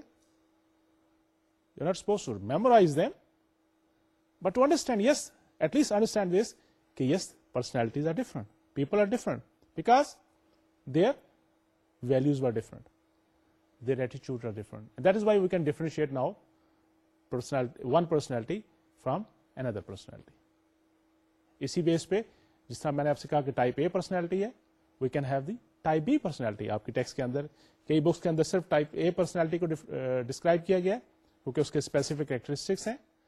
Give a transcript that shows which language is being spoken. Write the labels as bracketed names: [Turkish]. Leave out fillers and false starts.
[English] You are not supposed to memorize them, but to understand, yes at least understand this کہ yes personalities are different, people are different because their values are different, their attitude are different. And that is why we can differentiate now personality, one personality from another personality. [Urdu] اسی بیس پہ جس طرح میں نے آپ سے کہا کہ ٹائپ اے پرسنالٹی ہے, [English] We can have the type B personality. [Urdu] آپ کی ٹیکسٹ کے اندر کئی بکس کے اندر صرف ٹائپ اے پرسنالٹی کو ڈسکرائب کیا گیا ہے, کیونکہ اس کے اسپیسیفک کریکٹرسٹکس ہیں.